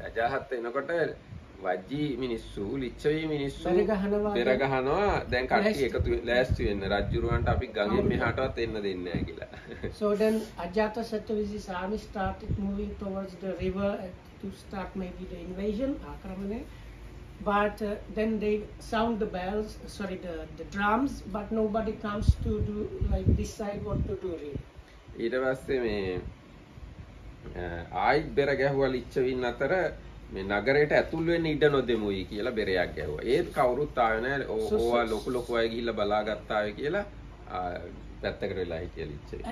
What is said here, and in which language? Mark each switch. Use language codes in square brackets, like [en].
[si] අජාසත් එනකොට වජී මිනිස්සු ලිච්ඡවි මිනිස්සු බෙර ගහනවා. දැන් කට්ටිය එකතු ලෑස්ති වෙන්න රජුරවන්ට අපි ගඟෙන් මෙහාටවත් එන්න දෙන්නේ නැහැ කියලා. [en] So then Ajasat විසින් army started moving towards the river to start maybe the invasion ආක්‍රමණය. But then they sound the bells, sorry the drums, but nobody comes to do like decide what to do really. [si] ඊට පස්සේ මේ ආයි බෙර ගැහුවා ලිච්ඡවින් අතර මේ නගරයට ඇතුල් වෙන්න ඉඩ නොදෙමුයි කියලා බෙරයක් ගැහුවා. ඒත් කවුරුත් ආවේ නැහැ. ඕවා ලොකු ලොකු අය ගිහිල්ලා බලා ගත්තා වේ කියලා පැත්තකට වෙලා හිටිය ලිච්ඡවි.